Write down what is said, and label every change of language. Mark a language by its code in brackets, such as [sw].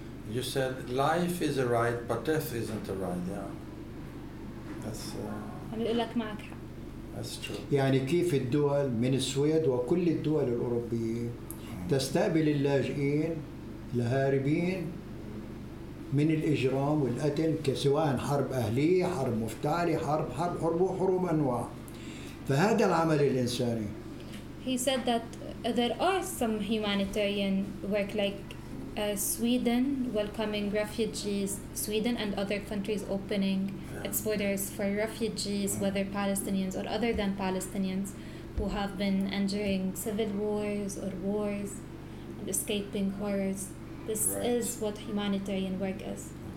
[en] You said life is a right, but death isn't a right. Yeah, that's true. [ar] يعني كيف الدول من السويد وكل الدول الأوروبية تستقبل اللاجئين الهاربين من الإجرام والقتل سواء حرب أهلية حرب مفتعلة حرب أنواع فهذا العمل الإنساني. [en] He said that there are some humanitarian work like Sweden welcoming refugees, Sweden and other countries opening its borders for refugees, whether Palestinians or other than Palestinians, who have been enduring civil wars or wars and escaping horrors. This is what humanitarian work is.